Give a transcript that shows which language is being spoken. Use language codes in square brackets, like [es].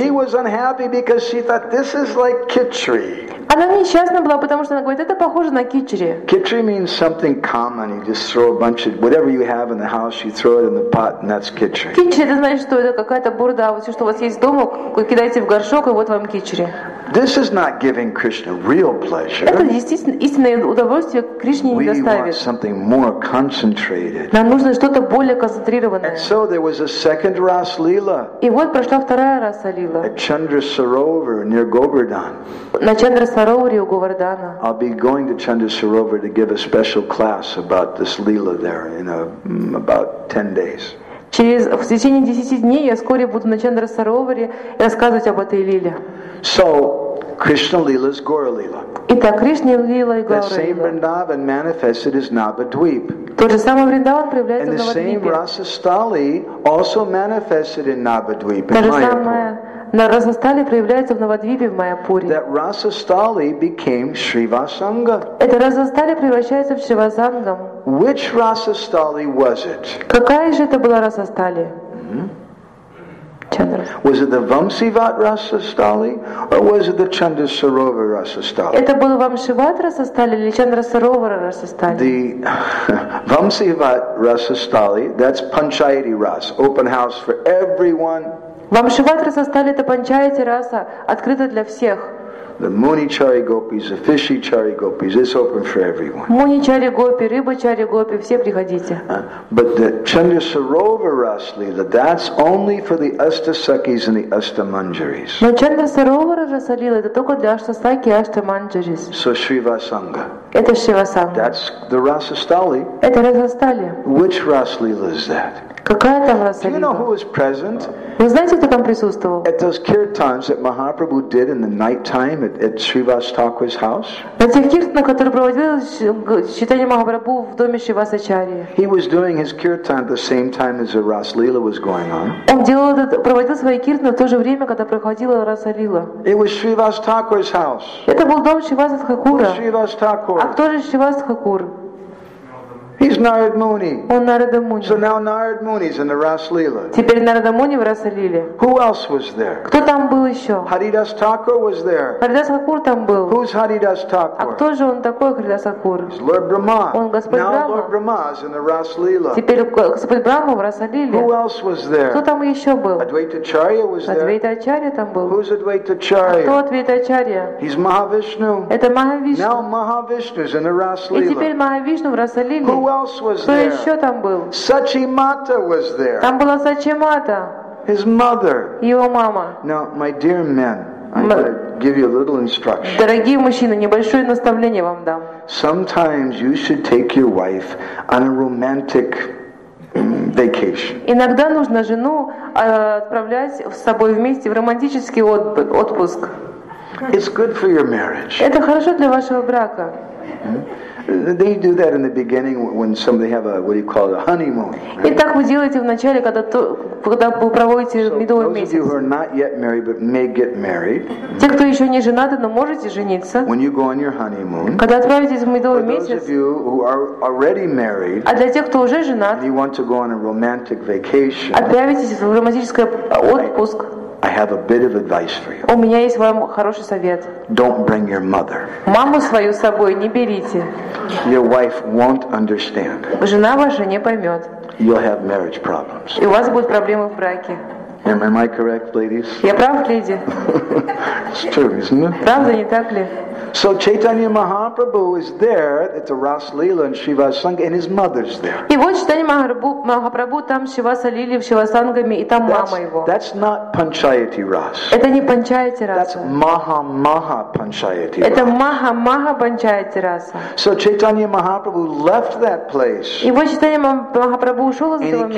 [en] She was unhappy because she thought this is like Khichri. [ru] Она несчастна была, потому что она говорит, это похоже на кичри. [en] Кичри means something common. You just throw a bunch of whatever you have in the house, you throw it in the pot, and that's кичри. [ru] Кичри, это значит, что это какая-то бурда, вот все, что у вас есть дома, кидайте в горшок, и вот вам кичри. [en] This is not giving Krishna real pleasure. [ru] Это истинное удовольствие Кришне не доставит. [en] We want something more concentrated. [ru] Нам нужно что-то более концентрированное. [en] And so there was a second Ras Lila. [ru] И вот прошла вторая Раса Лила. [en] At Chandra Sarovar near Govardhan. [ru] На Чандра Сароваре у Говардана. [en] I'll be going to Chandra Sarovar to give a special class about this Lila there in about 10 days. [ru] Через в течение 10 дней я вскоре буду на Чандра Сароваре и рассказывать об этой Лиле. [en] So, Krishna Lila is Gaura Lila. [ru] Итак, Кришна Лила и Гаура Лила. [en] The same Vrindavan manifested as Navadvip. [ru] Тот же самый Вриндаван проявляется в Навадвипе. [en] And the same Rasastali also manifested in Navadvip. [ru] То же самое. На Расастали проявляется в Навадвипе в Майяпуре. [en] That Rasastali became Shrivasanga. [ru] Это Расастали превращается в Шривасангам. [en] Which Rasastali was it? [ru] Какая же это была Расастали? [en] Was it the Vamsivat Rasa Stali or was it the Chandra Sarovar Rasa Stali? [ru] Это был Вамсиват Раса Стали или Чандра Саровар Раса Стали? [en] The Vamsivat Rasa Stali, that's Panchayati Ras, open house for everyone. [ru] Вамсиват Раса Стали это Панчаяти Раса, открыто для всех. [en] The Munichari Gopis, the Fishichari Gopis, it's open for everyone. [ru] Munichari Gopi, Rybachari Gopi, все приходите. [en] But the Chandra Sarovar Ras Lila, that's only for the Astasakis and the Astamanjaris. [ru] Но Chandra Sarovar Ras Lila, это только для Astasaki и Astamanjaris. [en] So Shrivasanga. [ru] Это Shrivasanga. [en] That's the Rasastali. [ru] Это Rasastali. [en] Which Ras Lila is that? [ru] Какая там Раса Лила? [en] Do you know who was present? [ru] Вы знаете, кто там присутствовал? [en] At those kirtans that Mahaprabhu did in the night time at Srivas Thakur's house. [ru] На тех киртанах, которые проводил читание Махапрабху в доме Шривасачарьи. [en] He was doing his kirtan at the same time as the Ras Lila was going on. [ru] Он делал этот, проводил свои киртаны в то же время, когда проходила Раса Лила. [en] It was Srivas Thakur's house. [ru] Это был дом Шриваса Тхакура. [en] Shrivas Thakur. [ru] А кто же Шривас Тхакур? [en] He's Narad Muni. [ru] Он Нарада Муни. [en] So now Narad Muni is in the Ras Lila. [ru] Теперь Нарада Муни в Расалиле. [en] Who else was there? [ru] Кто там был еще? [en] Haridas Thakur was there. [ru] Haridas Thakur там был. [en] Who's Haridas Thakur? [ru] А кто же он такой, Haridas Thakur? [en] He's Lord Brahma. [ru] Он Господь [en] now [ru] Брама. [en] Now Lord Brahma is in the Ras Lila. [ru] Теперь Господь Брама в Расалиле. [en] Who else was there? [ru] Кто там еще был? [en] Advaita Acharya was there. [ru] Advaita Acharya там был. [en] Who's Advaita Acharya? [ru] А кто Advaita Acharya? [en] He's Mahavishnu. [ru] Это Махавишну. [en] Now Mahavishnu is in the Ras Lila. [ru] И теперь Махавишну в Расалиле. [en] Who else was there? Сачимата was there. [ru] Там была Сачимата. [en] His mother. [ru] Его мама. [en] Now, my dear men, I'm going to give you a little instruction. [ru] Дорогие мужчины, небольшое наставление вам дам. [en] Sometimes you should take your wife on a romantic vacation. [ru] Иногда нужно жену отправлять с собой вместе в романтический отпуск. [en] It's good for your marriage. [ru] Это хорошо для вашего брака. [en] They do that in the beginning when somebody have a, what do you call it, a honeymoon. [ru] И так вы делаете в начале, когда вы проводите медовый месяц. [en] Those of you who are not yet married but may get married. [ru] Те, кто еще не женаты, но можете жениться. [en] When you go on your honeymoon. [ru] Когда отправитесь в медовый месяц. [en] For those of you who are already married. [ru] А для тех, кто уже женат. [en] You want to go on a romantic vacation. [ru] Отправитесь в романтический отпуск. [en] I have a bit of advice for you. [ru] У меня есть вам хороший совет. [en] Don't bring your mother. [ru] Маму свою с собой не берите. [en] Your wife won't understand. [ru] Жена ваша не поймет. [en] You'll have marriage problems. [ru] И у вас будут проблемы в браке. [en] Am I correct, ladies? [ru] Я прав, леди? [en] It's true, isn't it? [ru] Правда, не так ли? [en] So Chaitanya Mahaprabhu is there at the Ras Lila and Shiva Sangha, and his mother's there. [ru] И вот Чайтанья Махапрабху там Шива Салили в Шива Сангами и там мама его. [en] That's not Panchayati Ras. [ru] Это не Панчайати Раса. [en] That's Maha Panchayati Ras. [ru] Это Maha Panchayati Ras. [en] So Chaitanya Mahaprabhu left that place. [ru] И вот Чайтанья Махапрабху ушел из этого места.